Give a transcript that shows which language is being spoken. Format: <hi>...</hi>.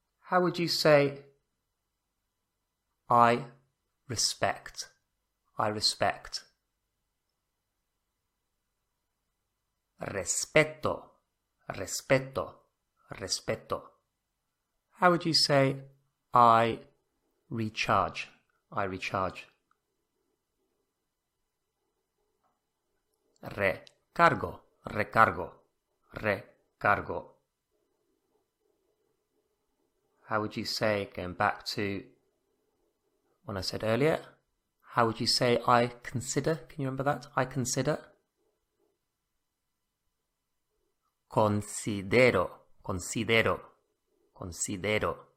<en>How would you say I respect? I respect.</en> <es>Respeto, respeto, respeto.</es> <en>How would you say I recharge? I recharge.</en> <es>Recargo, recargo, recargo.</es> <en>How would you say, going back to what I said earlier, how would you say I consider? Can you remember that? I consider.</en> <es>Considero, considero, considero.</es>